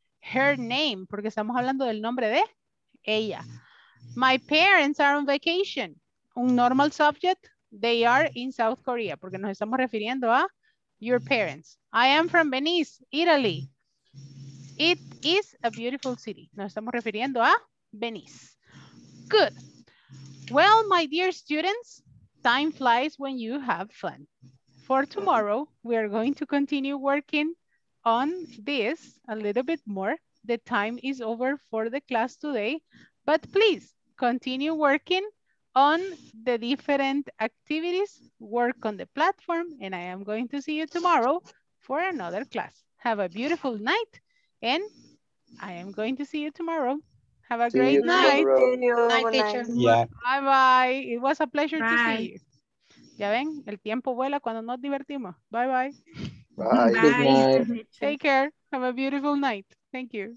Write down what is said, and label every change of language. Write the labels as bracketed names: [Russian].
[English] Her name, [Spanish] porque estamos hablando del nombre de ella. [English] My parents are on vacation. Un normal subject. They are in South Korea, [Spanish] porque nos estamos refiriendo a [English] your parents. I am from Venice, Italy. It is a beautiful city. [Spanish] Nos estamos refiriendo a [English] Venice. Good. Well, my dear students, time flies when you have fun. For tomorrow, we are going to continue working on this a little bit more. The time is over for the class today, but please continue working on the different activities, work on the platform, and I am going to see you tomorrow for another class. Have a beautiful night, and I am going to see you tomorrow. Have a see great night. Night, teacher. Yeah. Bye bye. It was a pleasure bye. To see you. [Spanish] Ya ven, el tiempo vuela cuando nos divertimos. [English] Bye bye. Bye. Good night. Take care. Have a beautiful night. Thank you.